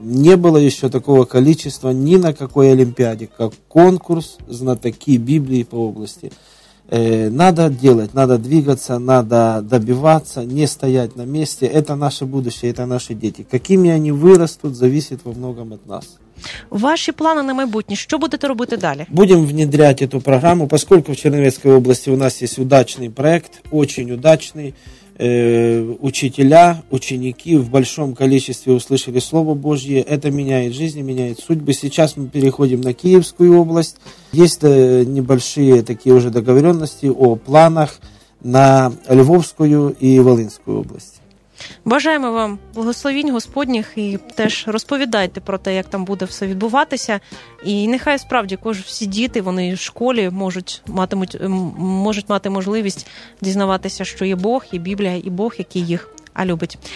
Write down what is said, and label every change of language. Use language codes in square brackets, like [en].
[ru] Не было еще такого количества ни на какой олимпиаде, как конкурс «Знатоки Библии по области». Надо делать, надо двигаться, надо добиваться, не стоять на месте. Это наше будущее, это наши дети. Какими они вырастут, зависит во многом от нас. [uk] Ваші плани на майбутнє, що будете робити далі? Будемо внедряти цю програму, оскільки в Чернівецькій області у нас є удачний проєкт, дуже удачний. [ru] учителя, ученики в большом количестве услышали Слово Божье. Это меняет жизнь, меняет судьбы. Сейчас мы переходим на Киевскую область. Есть небольшие такие уже договоренности о планах на Львовскую и Волинскую область. [uk] Бажаємо вам благословінь Господніх і теж розповідайте про те, як там буде все відбуватися. І нехай справді всі діти, вони в школі можуть мати можливість дізнаватися, що є Бог, є Біблія, і Бог, який їх любить.